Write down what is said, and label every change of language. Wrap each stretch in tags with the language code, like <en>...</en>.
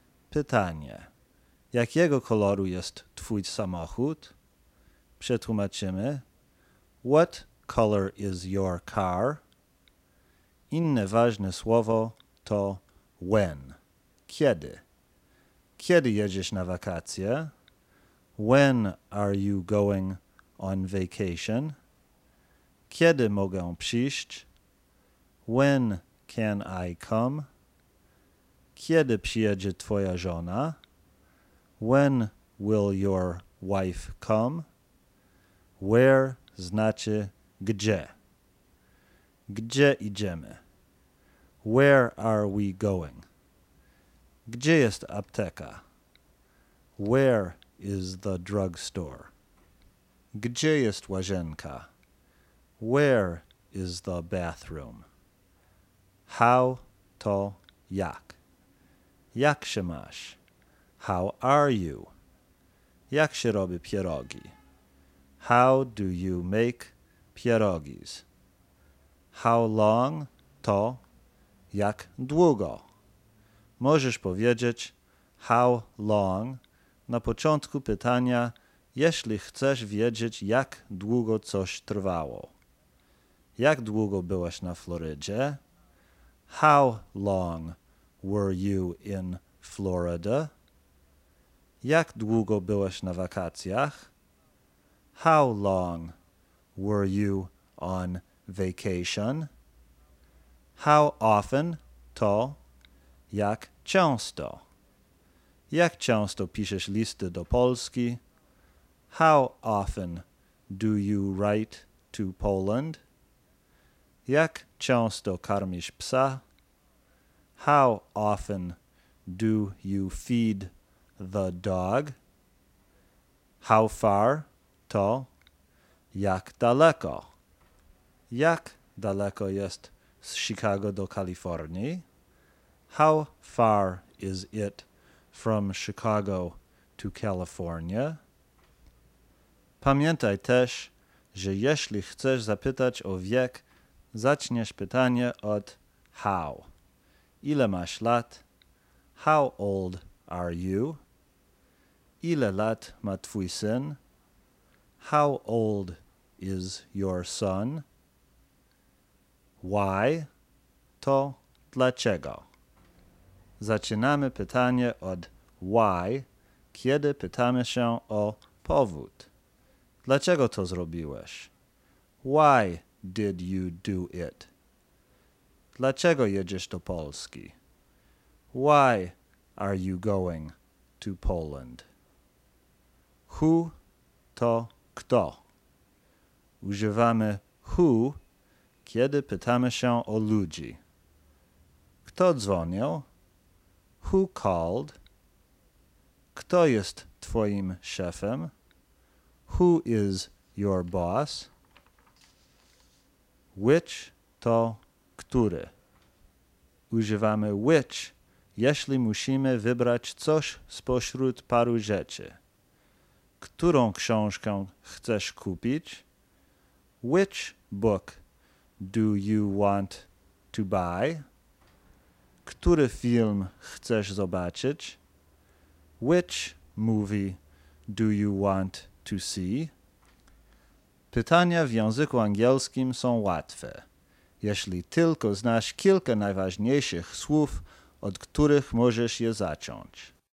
<pl>Pytanie, jakiego koloru jest twój samochód? Przetłumaczymy,</pl> <en>what color is your car?</en> <pl>Inne ważne słowo to when, kiedy. Kiedy jedziesz na wakacje?</pl> <en>When are you going on vacation?</en> <pl>Kiedy mogę przyjść?</pl> <en>When can I come?</en> <pl>Kiedy przyjedzie twoja żona?</pl> <en>When will your wife come?</en> <pl>Where znaczy gdzie. Gdzie idziemy?</pl> <en>Where are we going?</en> <pl>Gdzie jest apteka?</pl> <en>Where is the drugstore?</en> <pl>Gdzie jest łazienka?</pl> <en>Where is the bathroom? How to jak?</en> <pl>Jak się masz?</pl> <en>How are you?</en> <pl>Jak się robi pierogi?</pl> <en>How do you make pierogis?</en> <pl>How long to jak długo? Możesz powiedzieć how long na początku pytania, jeśli chcesz wiedzieć, jak długo coś trwało. Jak długo byłeś na Florydzie?</pl> <en>How long were you in Florida?</en> <pl>Jak długo byłeś na wakacjach?</pl> <en>How long were you on vacation?</en> <pl>How often to jak często? Jak często piszesz listy do Polski?</pl> <en>How often do you write to Poland?</en> <pl>Jak często karmisz psa?</pl> <en>How often do you feed the dog?</en> <pl>How far to jak daleko? Jak daleko jest z Chicago do Kalifornii?</pl> <en>How far is it from Chicago to California?</en> <pl>Pamiętaj też, że jeśli chcesz zapytać o wiek, zaczniesz pytanie od how. Ile masz lat?</pl> <en>How old are you?</en> <pl>Ile lat ma twój syn?</pl> <en>How old is your son? Why?</en> <pl>To dlaczego? Zaczynamy pytanie od why, kiedy pytamy się o powód. Dlaczego to zrobiłeś?</pl> <en>Why did you do it?</en> <pl>Dlaczego jedziesz do Polski?</pl> <en>Why are you going to Poland?</en> <pl>Who to kto? Używamy who, kiedy pytamy się o ludzi. Kto dzwonił?</pl> <en>Who called?</en> <pl>Kto jest twoim szefem?</pl> <en>Who is your boss?</en> <pl>Which to który? Używamy which, jeśli musimy wybrać coś spośród paru rzeczy. Którą książkę chcesz kupić?</pl> <en>Which book do you want to buy?</en> <pl>Który film chcesz zobaczyć?</pl> <en>Which movie do you want to see?</en> <pl>Pytania w języku angielskim są łatwe, jeśli tylko znasz kilka najważniejszych słów, od których możesz je zacząć.</pl>